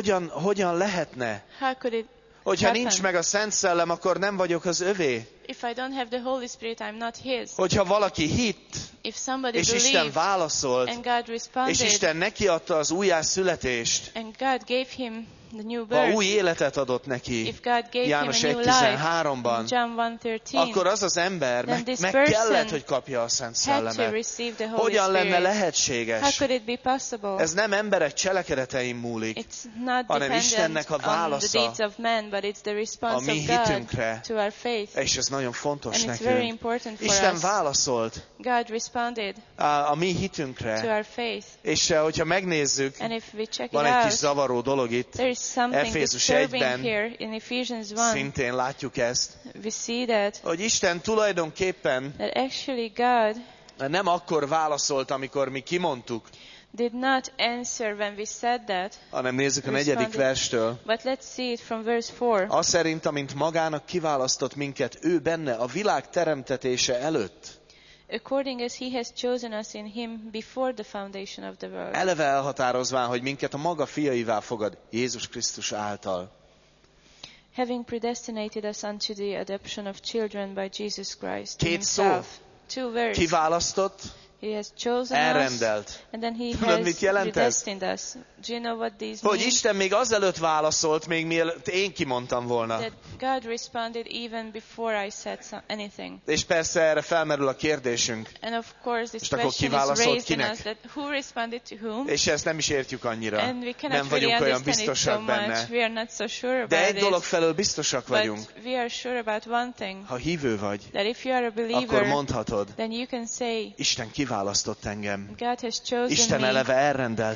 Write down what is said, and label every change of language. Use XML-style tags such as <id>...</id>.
<hu>Hogyan lehetne? Hogyha nincs meg a Szent Szellem, akkor nem vagyok az övé.</hu> <en>If I don't have the Holy Spirit, I'm not his.</en> <hu>Hogyha valaki hitt,</hu> <en>if somebody</en> <hu>és</hu> <en>believed,</en> <hu>Isten válaszolt,</hu> <en>and God responded,</en> <hu>és Isten neki adta az újjászületést,</hu> <en>and God gave him the new birth,</en> <hu>ha új életet adott neki,</hu> <en>if God gave</en> <hu>János</hu> <en>him a 1.13-ban,</en> <hu>John 1.13, akkor az az ember meg kellett, hogy kapja a Szent Szellemet.</hu> <en>Had to receive the Holy</en> <hu>hogyan</hu> <en>Spirit.</en> <hu>Lenne lehetséges?</hu> <en>How could it be possible?</en> <hu>Ez nem emberek cselekedeteim múlik,</hu> <en>it's not</en> <hu>hanem Istennek a válasza</hu> <en>the deeds of men, but it's the response</en> <hu>a mi hitünkre,</hu> <en>to our faith.</en> <hu>És ez nagyon fontos</hu> <en>and</en> <hu>nekünk.</hu> <en>Very important for</en> <hu>Isten</hu> <en>us.</en> <hu>Válaszolt</hu> <en>God responded</en> <hu>a mi hitünkre.</hu> <en>To our faith.</en> <hu>És hogyha megnézzük,</hu> <en>and if we check</en> <hu>van</hu> <en>it</en> <hu>egy</hu> <en>out,</en> <hu>kis zavaró dolog itt,</hu> <en>there is something</en> <hu>Efézus</hu> <en>1-ben here in Ephesians 1,</en> <hu>szintén látjuk ezt,</hu> <en>we see that,</en> <hu>hogy Isten tulajdonképpen</hu> <en>that actually God</en> <hu>nem akkor válaszolt, amikor mi kimondtuk,</hu> <en>did not answer when we said that.</en> <hu>Hanem nézzük a negyedik verstől.</hu> <en>But let's see it from verse 4.</en> <hu>Aszerint, amint magának kiválasztott minket ő benne a világ teremtetése előtt.</hu> <en>According as he has chosen us in him before the foundation of the world.</en> <hu>Eleve elhatározván, hogy minket a maga fiaivá fogad Jézus Krisztus által.</hu> <en>Having predestinated us unto the adoption of children by Jesus Christ himself.</en> <hu>Két szó.</hu> <en>Two verses.</en> <hu>Kiválasztott.</hu> <en>He has chosen</en> <hu>elrendelt.</hu> <en>Us. And then he</en> <hu>tudod,</hu> <en>has predestined us. Do you know what these</en> <hu>hogy</hu> <en>mean?</en> <hu>Isten még azelőtt válaszolt, még mielőtt én kimondtam volna.</hu> <en>That God responded even before I said anything.</en> <hu>És persze erre felmerül a kérdésünk.</hu> <en>And of course this question is raised in us that who responded to whom?</en> <hu>És ezt nem is értjük annyira.</hu> <en>And we cannot</en> <hu>nem vagyunk</hu> <en>really</en> <hu>olyan biztosak</hu> <en>so</en> <hu>benne.</hu> <en>Much. We are not so sure about</en> <hu>De egy dolog felől biztosak</hu> <en>but</en> <hu>vagyunk.</hu> <en>We are sure about one thing.</en> <hu>Ha hívő vagy,</hu> <en>that if you are a believer,</en> <hu>akkor mondhatod,</hu> <en>then you can say,</en> <hu>Isten kiválasztott engem.</hu> <en>God has chosen</en> <hu>Isten</hu> <en>me.</en> <hu>Eleve elrendelt</hu>